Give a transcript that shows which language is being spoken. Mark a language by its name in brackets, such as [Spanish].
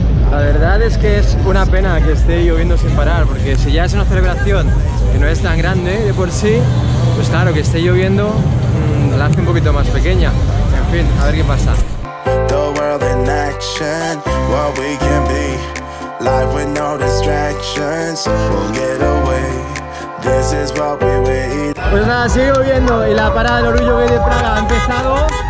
[Spanish] La verdad es que es una pena que esté lloviendo sin parar, porque si ya es una celebración que no es tan grande de por sí, pues claro, que esté lloviendo la hace un poquito más pequeña. En fin, a ver qué pasa. [English] The world in action, what we can be. Life with no distractions, we'll get away. This is what we wait. [Spanish] Pues nada, sigue lloviendo y la parada del orgullo gay de Praga ha empezado.